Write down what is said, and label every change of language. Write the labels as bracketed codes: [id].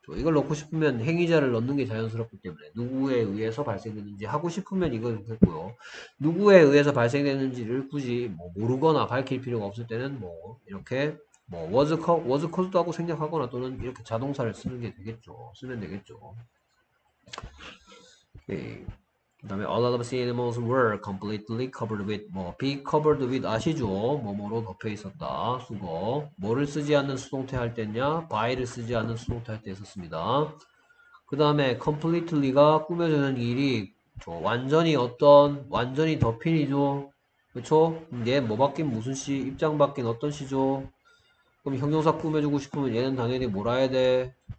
[ko] 이걸 넣고 싶으면 행위자를 넣는 게 자연스럽기 때문에 누구에 의해서 발생되는지 하고 싶으면 이걸 넣고요. 누구에 의해서 발생되는지를 굳이 뭐 모르거나 밝힐 필요가 없을 때는 뭐 이렇게 뭐 was caused 하고 생략하거나 또는 이렇게 자동사를 쓰는 게 되겠죠. 쓰면 되겠죠. 오케이. [en] 그다음에 a lot of sea animals were completely covered with 뭐 be covered with 아시죠? [ko] 뭐뭐로 덮여 있었다. 수거. 뭐를 쓰지 않는 수동태 할 때냐? by를 쓰지 않는 수동태 할때 썼습니다. 그다음에 completely가 꾸며주는 일이 완전히 어떤, 완전히 덮인이죠. 그쵸? 얘뭐 바뀐 무슨 시, 입장 바뀐 어떤 시죠? 그럼 형용사 꾸며주고 싶으면 얘는 당연히 뭐라 해야 돼?